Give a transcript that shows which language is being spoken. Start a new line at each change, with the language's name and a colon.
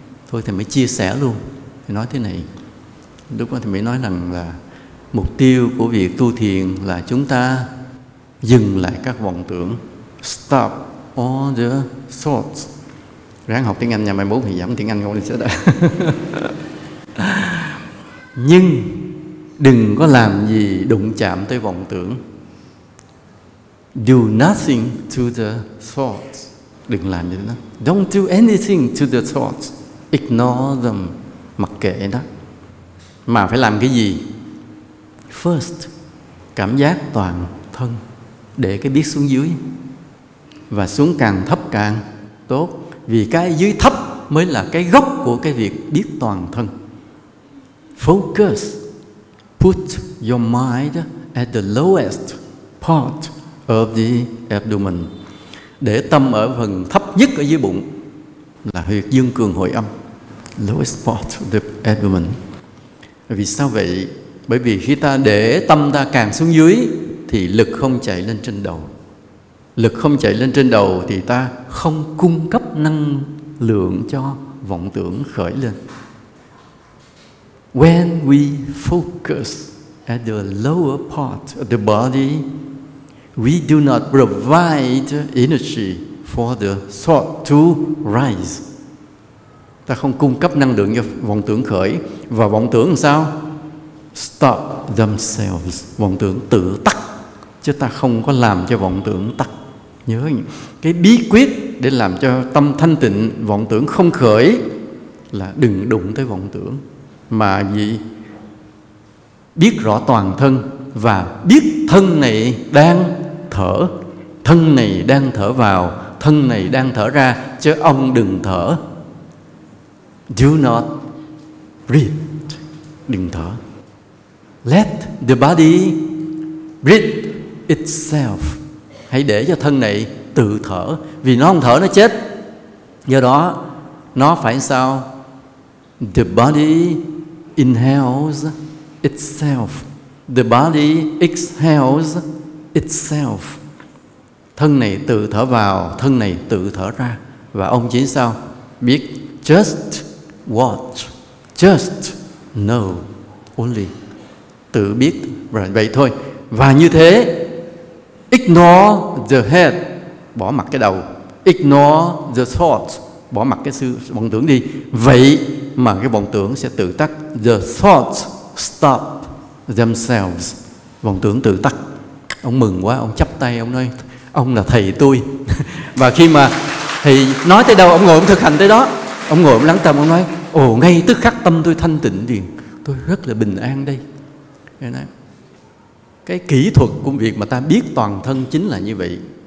Vietnamese: Thôi thầy mới chia sẻ luôn. Thầy nói thế này. Lúc đó thầy mới nói rằng là mục tiêu của việc tu thiền là chúng ta dừng lại các vọng tưởng.
English: Stop all the thoughts.
Vietnamese: Ráng học tiếng Anh nha, mai mốt thì giảm tiếng Anh ngồi chết đã. Nhưng đừng có làm gì đụng chạm tới vọng tưởng.
English: Do nothing to the thoughts.
Vietnamese: Đừng làm gì đó.
English: Don't do anything to the thoughts. Ignore them.
Vietnamese: Mặc kệ đó. Mà phải làm cái gì? First, cảm giác toàn thân. Để cái biết xuống dưới. Và xuống càng thấp càng tốt. Vì cái dưới thấp mới là cái gốc của cái việc biết toàn thân.
English: Focus. Put your mind at the lowest part of the abdomen.
Vietnamese: Để tâm ở phần thấp nhất ở dưới bụng. Là huyệt dương cường hội âm.
English: Lowest part of the abdomen.
Vietnamese: Vì sao vậy? Bởi vì khi ta để tâm ta càng xuống dưới thì lực không chạy lên trên đầu. Lực không chạy lên trên đầu thì ta không cung cấp năng lượng cho vọng tưởng khởi lên.
English: When we focus at the lower part of the body, we do not provide energy for the thought to rise.
Vietnamese: Ta không cung cấp năng lượng cho vọng tưởng khởi. Và vọng tưởng làm sao?
English: Stop themselves.
Vietnamese: Vọng tưởng tự tắt. Chứ ta không có làm cho vọng tưởng tắt. Nhớ cái bí quyết để làm cho tâm thanh tịnh, vọng tưởng không khởi là đừng đụng tới vọng tưởng. Mà gì? Biết rõ toàn thân và biết thân này đang thở. Thân này đang thở vào, thân này đang thở ra, chứ ông đừng thở.
English: Do not breathe.
Vietnamese: Đừng thở.
English: Let the body breathe itself.
Vietnamese: Hãy để cho thân này tự thở. Vì nó không thở nó chết. Do đó nó phải sao?
English: The body inhales itself. The body exhales itself.
Vietnamese: Thân này tự thở vào, thân này tự thở ra. Và ông chỉ sao? Biết
English: just watch. Just know only.
Vietnamese: Tự biết rồi vậy thôi. Và như thế,
English: ignore the head,
Vietnamese: bỏ mặc cái đầu.
English: Ignore the thought,
Vietnamese: bỏ mặc cái vọng tưởng đi. Vậy mà cái vọng tưởng sẽ tự tắt.
English: The thoughts stop themselves.
Vietnamese: Vọng tưởng tự tắt. Ông mừng quá, ông chắp tay, ông nói, ông là thầy tôi. Và khi mà thì nói tới đâu, ông ngồi, ông thực hành tới đó. Ông ngồi, ông lắng tâm, ông nói, ồ, ngay tức khắc tâm tôi thanh tịnh liền. Tôi rất là bình an đây. Nên nói, cái kỹ thuật của việc mà ta biết toàn thân chính là như vậy.